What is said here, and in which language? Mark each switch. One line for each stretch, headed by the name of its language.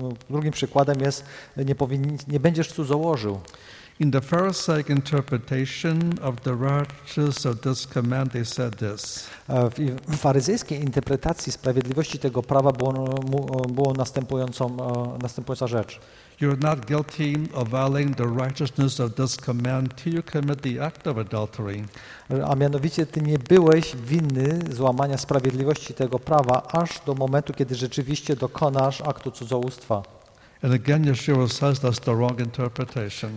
Polish: Drugim przykładem jest, nie będziesz cudzołożył.
English: In the Pharisaic interpretation of the righteousness of this command, they said this.
Polish: W faryzyjskiej interpretacji sprawiedliwości tego prawa było następująca rzecz.
English: You're not guilty of violating the righteousness of this command till you commit the act of adultery.
Polish: A mianowicie ty nie byłeś winny złamania sprawiedliwości tego prawa aż do momentu, kiedy rzeczywiście dokonasz aktu cudzołóstwa.
English: And again, Yeshua says that's the wrong interpretation.